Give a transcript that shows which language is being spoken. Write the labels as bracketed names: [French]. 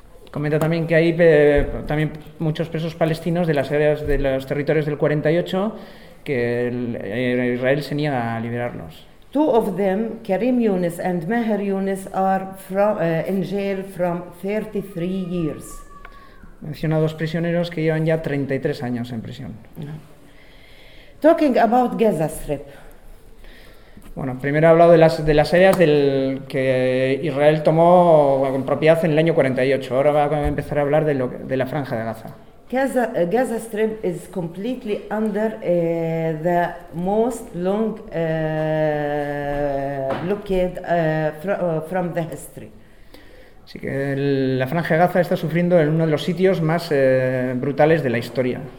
[Spanish] Comenta también que hay también muchos presos palestinos de las áreas de los territorios del 48 que Israel se niega a liberarlos. [English] Two of them, Karim Yunis and Maher Yunis, are from in jail from 33 years. [Spanish] Menciona dos prisioneros que llevan ya 33 años en prisión. No. [English] Talking about Gaza Strip. [Spanish] Bueno, primero he hablado de las áreas del que Israel tomó con propiedad en el año 48. Ahora va a empezar a hablar de la franja de Gaza. [English] Gaza Strip is completely under the most long blockade from the history. [Spanish] Así que la franja de Gaza está sufriendo en uno de los sitios más brutales de la historia.